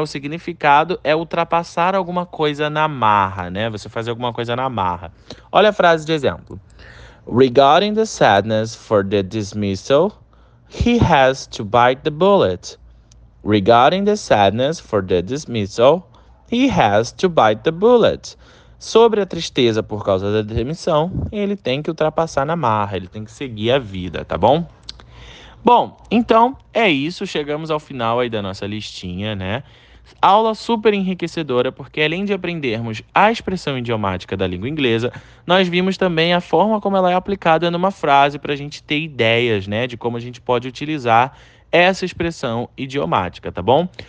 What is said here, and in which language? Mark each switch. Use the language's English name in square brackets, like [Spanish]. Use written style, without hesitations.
[Portuguese] O significado é ultrapassar alguma coisa na marra, né? Você fazer alguma coisa na marra. Olha a frase de exemplo. [English] Regarding the sadness for the dismissal, he has to bite the bullet. Regarding the sadness for the dismissal, he has to bite the bullet. [Portuguese] Sobre a tristeza por causa da demissão, ele tem que ultrapassar na marra, ele tem que seguir a vida, tá bom? Bom, então é isso, chegamos ao final aí da nossa listinha, né? Aula super enriquecedora, porque além de aprendermos a expressão idiomática da língua inglesa, nós vimos também a forma como ela é aplicada numa frase para a gente ter ideias, né, de como a gente pode utilizar essa expressão idiomática, tá bom?